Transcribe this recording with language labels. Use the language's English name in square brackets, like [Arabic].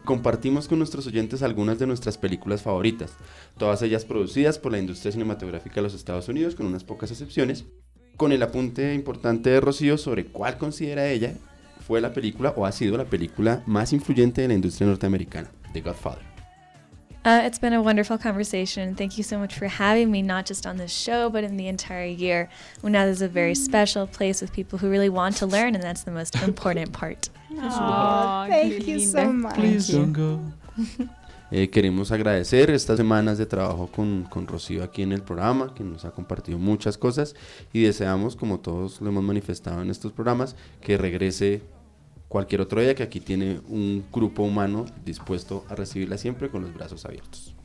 [Spanish] compartimos con nuestros oyentes algunas de nuestras películas favoritas, todas ellas producidas por la industria cinematográfica de los Estados Unidos, con unas pocas excepciones, con el apunte importante de Rocío sobre cuál considera ella fue la película o ha sido la película más influyente de la industria norteamericana, The Godfather. [English] It's been a wonderful conversation. Thank you so much for having me, not just on this show, but in the entire year. UNAD is a very special place with people who really want to learn, and that's the most important part. Thank you so much. [Spanish] Queremos agradecer estas semanas de trabajo con Rocío aquí en el programa, que nos ha compartido muchas cosas, y deseamos, como todos lo hemos manifestado en estos programas, que regrese cualquier otro día, que aquí tiene un grupo humano dispuesto a recibirla siempre con los brazos abiertos.